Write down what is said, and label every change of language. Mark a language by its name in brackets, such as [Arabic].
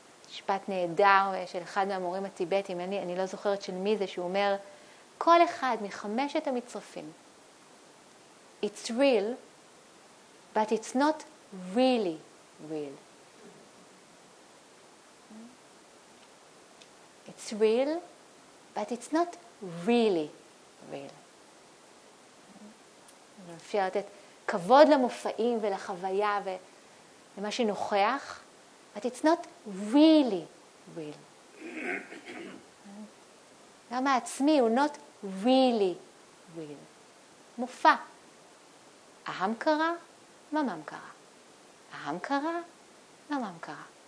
[Hebrew] משפט נהדר של אחד מהמורים הטיבטים, אני לא זוכרת של מי זה, שהוא אומר, כל אחד מחמשת המצרפים, [English] it's real, but it's not really real. It's real, but it's not really real. [Hebrew] אני אפשר לתת כבוד למופעים ולחוויה ולמה שנוכח, [English] but it's not really real. [Hebrew] גם העצמי הוא [English] not really real. [Hebrew] מופע. אהם קרה, ממם קרה. העם קרה? למה העם קרה?